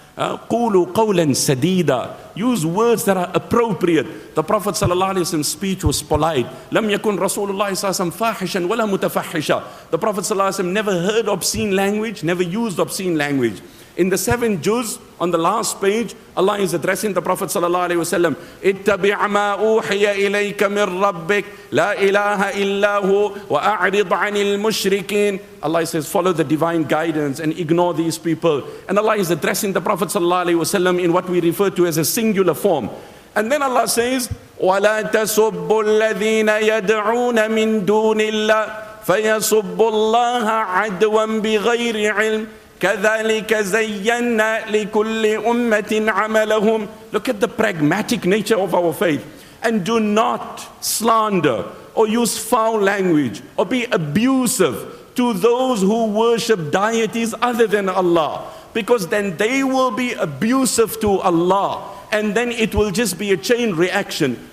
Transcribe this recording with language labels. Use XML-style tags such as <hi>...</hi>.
<ar>قُولُوا قَوْلًا سَدِيدًا</ar> <en>Use words that are appropriate. The Prophet ﷺ's speech was polite.</en> <ar>لَمْ يَكُنْ رَسُولُ اللَّهِ صَلَّى فَاحِشًا وَلَا مُتَفَحِّشًا</ar> <en>The Prophet ﷺ never heard obscene language, never used obscene language. In the seven juz, on the last page, Allah is addressing the Prophet sallallahu alaihi wasallam.</en> <ar>اتَّبِعْ مَا أُوحِيَ إِلَيْكَ مِنْ رَبِّكَ لَا إِلَٰهَ إِلَّا هُوَ وَأَعْرِضْ عَنِ الْمُشْرِكِينَ</ar> <en>Allah says, follow the divine guidance and ignore these people. And Allah is addressing the Prophet sallallahu alaihi wasallam in what we refer to as a singular form. And then Allah says,</en> <ar>وَلَا تَسُبُّ الَّذِينَ يَدْعُونَ مِنْ دُونِ اللَّهِ فَيَسُبُّ اللَّهَ عَدْوًا بِغَيْرِ عِلْمٍ كَذَلِكَ زَيَّنَّا لِكُلِّ أُمَّةٍ عَمَلَهُمْ</ar> <en>Look at the pragmatic nature of our faith. And do not slander or use foul language or be abusive to those who worship deities other than Allah. Because then they will be abusive to Allah. And then it will just be a chain reaction.</en>